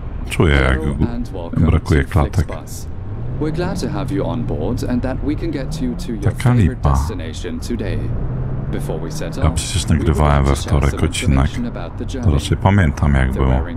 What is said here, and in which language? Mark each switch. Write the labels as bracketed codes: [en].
[pl] Czuję, jak brakuje klatek. [en] We're glad to have you on board and that we can get you to your favorite destination today. Before we set off, [pl] ja przecież nagrywałem we wtorek odcinek, to raczej pamiętam, jak było.